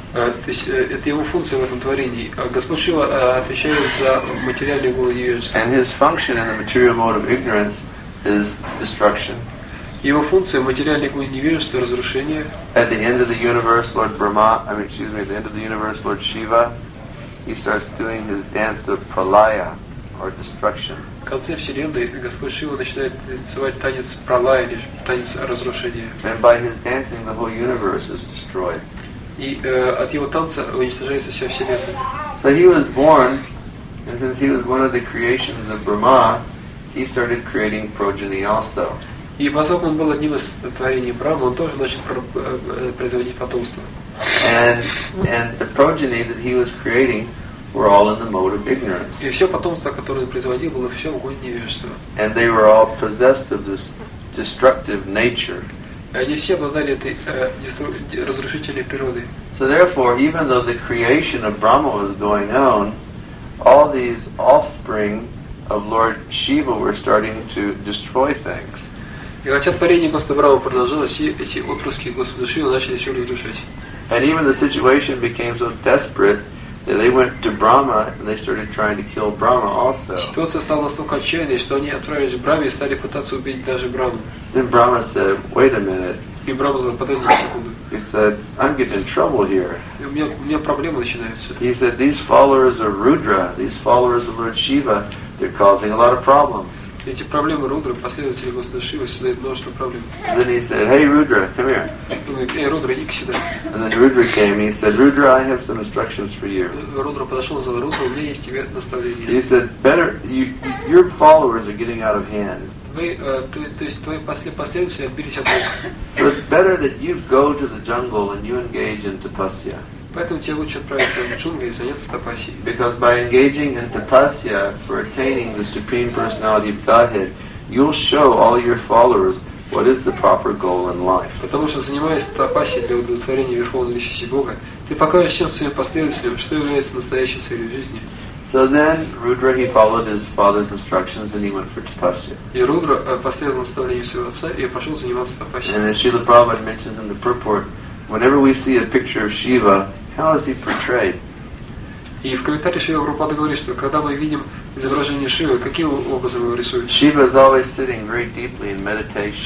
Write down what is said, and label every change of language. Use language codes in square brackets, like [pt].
[ru] То есть это его функция в этом творении. Господь Шива отвечает за материальный угол невежества. [en] And his function in the material mode of ignorance is destruction. [ru] Его функция в материальный угол невежества — разрушение. [en] At the end of the universe, at the end of the universe, Lord Shiva, he starts doing his dance of pralaya, or destruction. [ru] В конце вселенной Господь Шива начинает танцевать танец пралая, или танец разрушения. [en] And by his dancing, the whole universe is destroyed. [ru] И от его танца уничтожается вся вселенная. [en] So he was born, and since he was one of the creations of Brahma, he started creating progeny also. [ru] И поскольку он был одним из творений Брахмы, он тоже начал производить потомство. [en] And the progeny that he was creating were all in the mode of ignorance. [ru] И все потомство, которое он производил, было все в угоне невежества. [en] And they were all possessed of this destructive nature. [ru] И они все обладали этой разрушительной природой. [en] So therefore, even though the creation of Brahma was going on, all these offspring of Lord Shiva were starting to destroy things. [ru] И хотя творение Господа Брахмы продолжалось, и эти отпрыски Господа Шивы начали все разрушать. [en] And even the situation became so desperate, they went to Brahma and they started trying to kill Brahma also. [ru] Ситуация стала настолько отчаянной, что они отправились к Браме и стали пытаться убить даже Браму. [en] Then Brahma said, "Wait a minute." [ru] И Брама сказал: "Подожди секунду." [en] He said, "I'm getting in trouble here." [ru] У меня проблемы начинаются. [en] He said, "These followers of Rudra, these followers of Lord Shiva, they're causing a lot of problems." [ru] Эти проблемы Рудры, последователи Господа Шивы, создают множество проблем. [en] Then he said, "Hey Rudra, come here." [ru] Эй, Рудра, иди сюда. [en] And then Rudra came. He said, "Rudra, I have some instructions for you." [ru] Рудра подошел и сказал: "Рудра, у меня есть тебе наставление." [en] He said, "Better, your followers are getting out of hand." [ru] Твои последователи отбились от рук. [en] So it's better that you go to the jungle and you engage in tapasya. [ru] Поэтому тебе лучше отправиться в джунгли и заняться тапасией. [en] Because by engaging in tapasya for attaining the supreme personality of Godhead, you'll show all your followers what is the proper goal in life. [ru] Потому что занимаясь тапасией для удовлетворения верховной личности Бога, ты покажешь всем своим последователям, что является настоящей целью жизни. [en] So then Rudra, he followed his father's instructions and he went for tapasya. [ru] И Рудра последовал наставлению своего отца и пошел заниматься тапасией. [en] And as Srila Prabhupada mentions in the purport, whenever we see a picture of Shiva, how is he portrayed? [ru] И в комментариях Шива Прабхупада говорит, что когда мы видим изображение Шивы, каким образом его рисуют? [en] Shiva is always sitting very deeply in meditation.